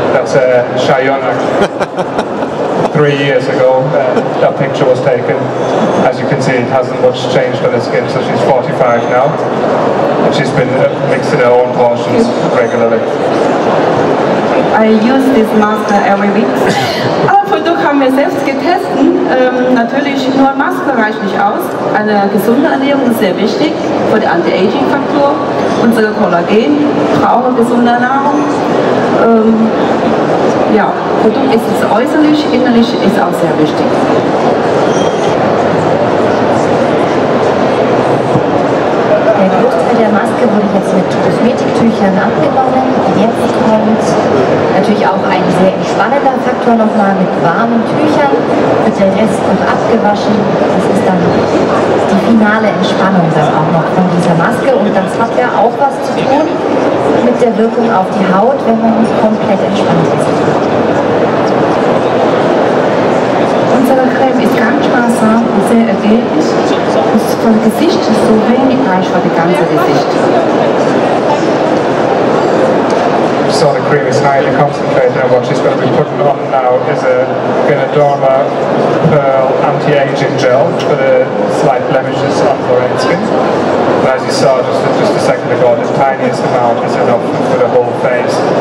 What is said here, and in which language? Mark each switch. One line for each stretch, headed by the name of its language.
English: That's Shaoyun. 3 years ago, that picture was taken. As you can see, it hasn't much changed on her skin, so she's 45 now. And she's been mixing her own portions regularly. I use this mask every week.
German: Alle Produkte haben wir selbst getestet. Natürlich, nur Maske reicht nicht aus. Eine gesunde Ernährung ist sehr wichtig für die Anti-Aging-Faktor. Unsere Kollagen brauchen gesunde Nahrung. Ja, Produkt ist es äußerlich, innerlich ist auch sehr wichtig. Der Großteil der Maske wurde jetzt mit Kosmetiktüchern abgenommen. Jetzt kommt natürlich auch ein sehr entspannender Faktor nochmal mit warmen Tüchern. Wird der Rest noch abgewaschen. Das ist dann die finale Entspannung dann auch noch von dieser Maske. Und das hat ja auch was zu tun mit der Wirkung auf die Haut, wenn man komplett entspannt ist. Unsere Creme ist ganz sparsam und sehr ergiebig. Das ist vom Gesicht so wenig reich für das ganze Gesicht.
English: So the cream is highly concentrated, and what she's going to be putting on now is a Ganoderma Pearl Anti-Aging Gel for the slight blemishes on her own skin. And as you saw just a second ago, the tiniest amount is enough for the whole face.